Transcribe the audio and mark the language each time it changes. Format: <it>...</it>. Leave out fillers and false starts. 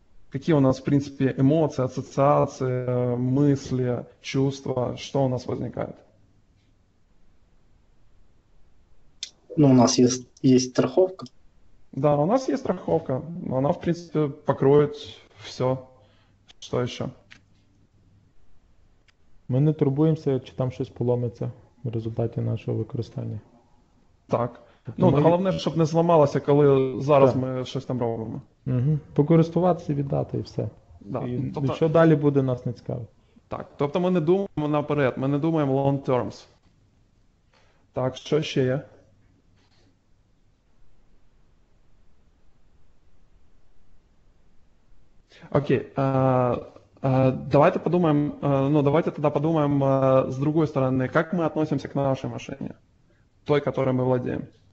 <ru>Какие у нас, в принципе, эмоции, ассоциации, мысли, чувства, что у нас возникает? Ну, у нас есть страховка. Да, у нас есть страховка, но она, в принципе, покроет все. Что еще?</ru> <uk>Ми не турбуємося, чи там щось поломиться в результаті нашого використання. Так. Тобто Ну, ми. головне, щоб не зламалося, коли зараз ми щось там робимо. Покористуватися, віддати і все.</uk> <ru>Да.</ru> <uk>І Тобто. що далі буде, нас не цікавить. Так. Тобто ми не думаємо наперед, ми не думаємо</uk> <en>long terms.</en> <uk>Так, що ще є?</uk> <ru>Окей, давайте подумаем, ну давайте тогда подумаем с другой стороны, как мы относимся к нашей машине, той, которой мы владеем.</ru>